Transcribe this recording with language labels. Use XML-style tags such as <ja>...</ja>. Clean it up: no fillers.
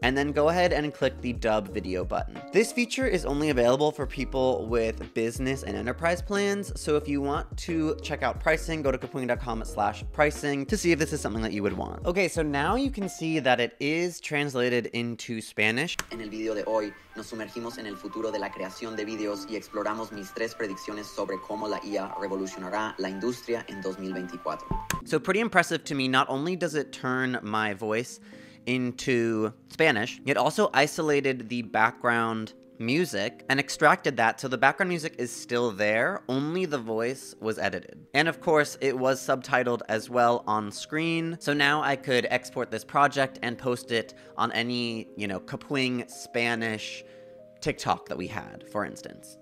<en>And then go ahead and click the dub video button. This feature is only available for people with business and enterprise plans. So if you want to check out pricing, go to kapwing.com/pricing to see if this is something that you would want. Okay, so now you can see that it is translated into Spanish.</en> <es>En el video de hoy, nos sumergimos en el futuro de la creación de videos y exploramos mis tres predicciones sobre cómo la IA revolucionará la industria en 2024.</es> <en>So pretty impressive to me. Not only does it turn my voice into Spanish, it also isolated the background music and extracted that, so the background music is still there, only the voice was edited. And of course, it was subtitled as well on screen, so now I could export this project and post it on any, you know, Kapwing Spanish TikTok that we had, for instance.</en>